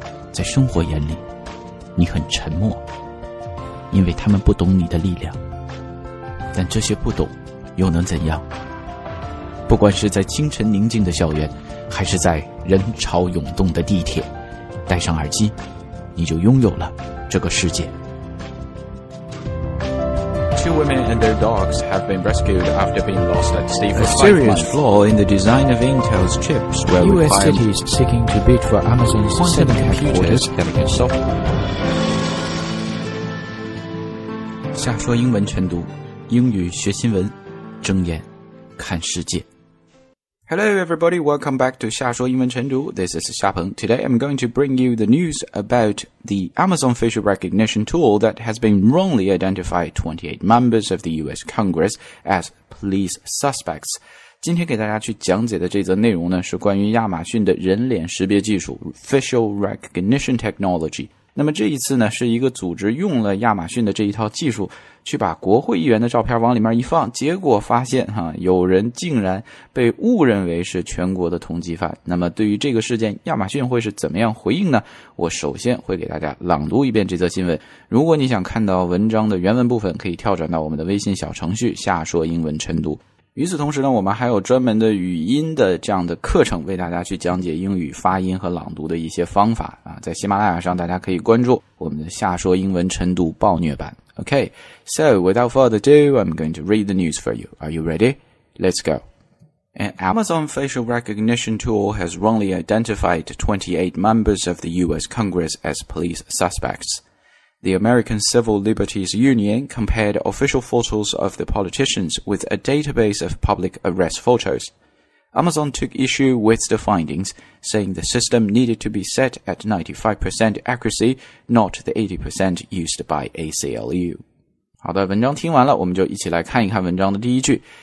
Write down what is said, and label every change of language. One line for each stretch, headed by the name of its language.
Chinese: 在生活眼里，你很沉默，因为他们不懂你的力量。但这些不懂又能怎样？不管是在清晨宁静的校园，还是在人潮涌动的地铁，戴上耳机，你就拥有了这个世界。
English: Two women and their dogs have been rescued after being lost at sea for 5 months. A serious flaw in the design of Intel's chips where U.S. cities seeking to bid for Amazon's quantum computers have been solved.
Chinese: 瞎说英文晨读，英语学新闻，睁眼看世界。
English: Hello everybody, welcome back to 瞎说英文晨读。This is 夏鹏。 Today I'm going to bring you the news about the Amazon facial recognition tool that has been wrongly identified 28 members of the US Congress as police suspects.
Chinese: 今天给大家去讲解的这则内容呢，是关于亚马逊的人脸识别技术
English: facial recognition technology。
Chinese: 那么这一次呢，是一个组织用了亚马逊的这一套技术去把国会议员的照片往里面一放，结果发现哈，有人竟然被误认为是全国的通缉犯。那么对于这个事件，亚马逊会是怎么样回应呢？我首先会给大家朗读一遍这则新闻。如果你想看到文章的原文部分，可以跳转到我们的微信小程序下说英文晨读。与此同时呢，我们还有专门的语音的这样的课程，为大家去讲解英语发音和朗读的一些方法啊，在喜马拉雅上大家可以关注我们的下说英文晨读暴虐版。
English: OK, so without further ado, I'm going to read the news for you. Are you ready? Let's go. An Amazon facial recognition tool has wrongly identified 28 members of the US Congress as police suspects. The American Civil Liberties Union compared official photos of the politicians with a database of public arrest photos. Amazon took issue with the findings, saying the system needed to be set at 95% accuracy, not the 80% used by ACLU.
Chinese: 好的，文章听完了，我们就一起来看一看文章的第一句。